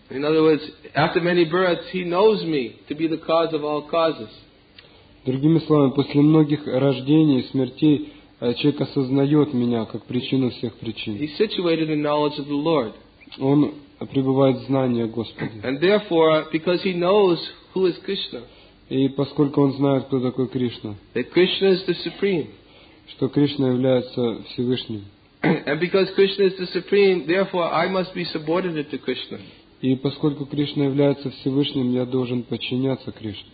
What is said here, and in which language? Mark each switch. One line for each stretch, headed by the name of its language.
English: In other words, after many births, he knows me to be the cause of all causes.
Russian: Другими словами, после многих рождений и смертей, человек осознает меня как причину всех причин.
English: He's situated in knowledge of the Lord.
Russian: Он пребывает в знании Господа.
English: And therefore, because he knows who is Krishna.
Russian: И поскольку он знает, кто такой Кришна.
English: That Krishna is the supreme.
Russian: Что Кришна является Всевышним.
English: And because Krishna is the supreme, therefore I must be subordinate to Krishna.
Russian: И поскольку Кришна является Всевышним, я должен подчиняться Кришне.